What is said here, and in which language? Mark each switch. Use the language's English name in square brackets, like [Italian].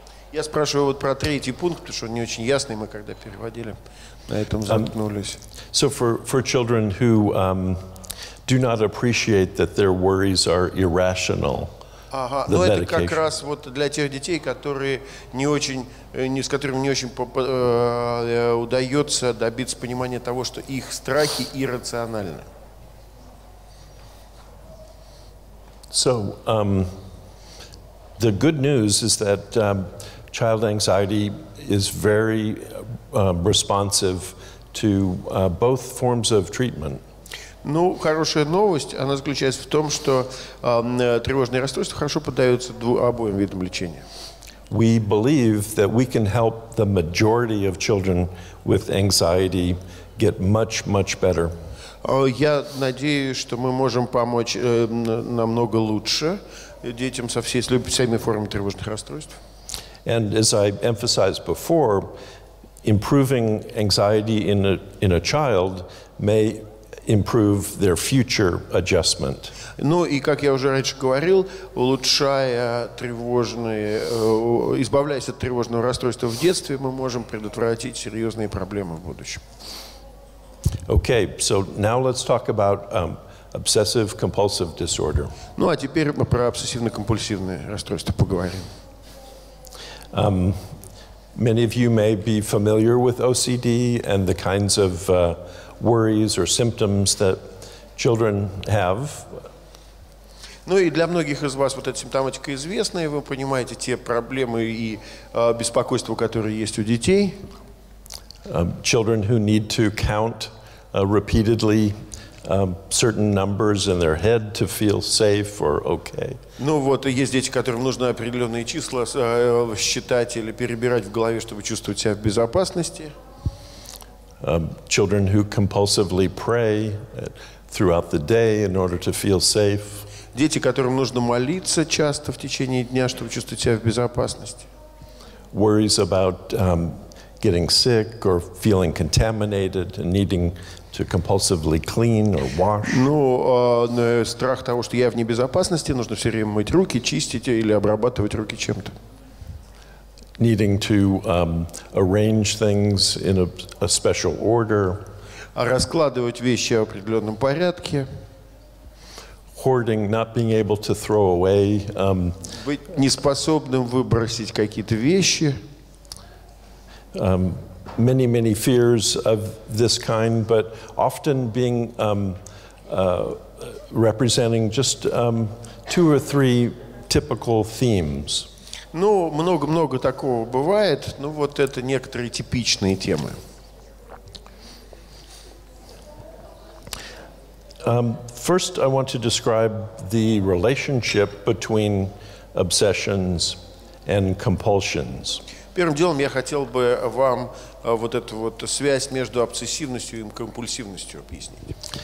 [Russian] Я спрашиваю вот про третий пункт, потому что он не очень ясный, мы когда переводили, на этом замкнулись. [English] So for children who do not appreciate that their worries are irrational. [Russian] Ага, [English] the medication. [Russian] Это как раз вот для тех детей, которые не очень, не, с которыми не очень удается добиться понимания того, что их страхи иррациональны. [English] So, the good news is that child anxiety is very responsive to both forms of treatment. [Russian] Ну, хорошая новость, она заключается в том, что тревожные расстройства хорошо поддаются обоим видам лечения. [English] We believe that we can help the majority of children with anxiety get much, much better. [Russian] Я надеюсь, что мы можем помочь намного лучше детям со всеми формами тревожных расстройств. [English] And as I emphasized before, improving anxiety in a child may improve their future adjustment. [Russian] Ну и как я уже раньше говорил, улучшая тревожные, избавляясь от тревожного расстройства в детстве, мы можем предотвратить серьезные проблемы в будущем. [English] Okay, so now let's talk about obsessive-compulsive disorder. [Russian] Ну а теперь мы про обсессивно-компульсивные расстройства поговорим. [English] Many of you may be familiar with OCD and the kinds of worries or symptoms that children have. [Russian] Ну и для многих из вас вот эта симптоматика известна, и вы понимаете те проблемы и беспокойства, которые есть у детей. [English] Children who need to count repeatedly certain numbers in their head to feel safe or okay. [Russian] Ну вот есть дети, которым нужно определенные числа считать или перебирать в голове, чтобы чувствовать себя в безопасности. [English] Children who compulsively pray throughout the day in order to feel safe. [Russian] Дети, которым нужно молиться часто в течение дня, чтобы чувствовать себя в безопасности. [English] Worries about getting sick or feeling contaminated and needing to compulsively clean or wash. [Russian] Ну, страх того, что я в небезопасности, нужно все время мыть руки, чистить или обрабатывать руки чем-то. [English] Needing to arrange things in a special order. [Russian] Раскладывать вещи в определенном порядке. [English] Hoarding, not being able to throw away. [Russian] Быть неспособным выбросить какие-то вещи. [English] Many, many fears of this kind, but often being representing just two or three typical themes. [Russian] Ну, много-много такого бывает, но вот это некоторые типичные темы. [English] First, I want to describe the relationship between obsessions and compulsions. [Russian] Первым делом я хотел бы вам вот эту вот связь между обсессивностью и компульсивностью объяснить.